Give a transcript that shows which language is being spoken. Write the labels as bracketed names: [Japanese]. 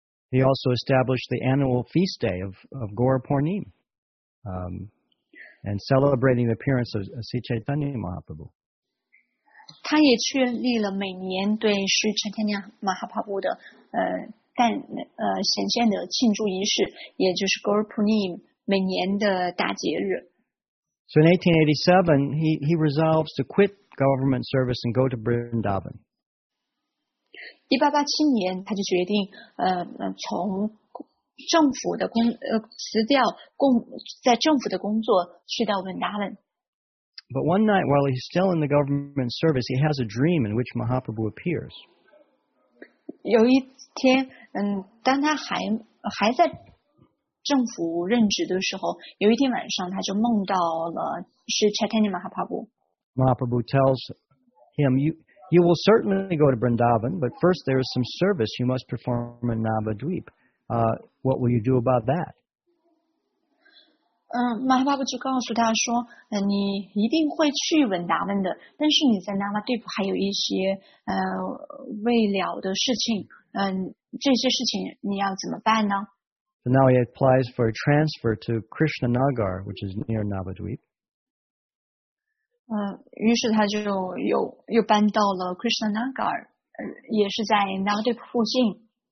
[English] He also established the annual feast day of Gaurapurnim and celebrating the appearance of Sri Chaitanya Mahaprabhu. [Chinese] 他也确立了每年对 Sri Chaitanya Mahaprabhu 的显现的庆祝仪式，也就是 Gaurapurnim 每年的大节日。 [English] So in 1887, he resolves to quit government service and go to Vrindavan. [Chinese] 1887年他就决定从政府的工辞掉工在政府的工作去到文达文。 [English] But one night while he's still in the government service, he has a dream in which Mahaprabhu appears. [Chinese] 有一天当他还在政府任职的时候，有一天晚上他就梦到了是 Chaitanya Mahaprabhu. [English] Mahaprabhu tells him, You will certainly go to Vrindavan, but first there is some service you must perform in Navadvip. What will you do about that? [Chinese] Mahaprabhu 就告诉他说，你一定会去文达温的，但是你在那拉地普还有一些未了的事情，这些事情你要怎么办呢？ [English] So now he applies for a transfer to Krishnanagar, which is near Navadvip. [Chinese] 于是他就又搬到了 Krishnanagar, 也是在 Navadvip 附近。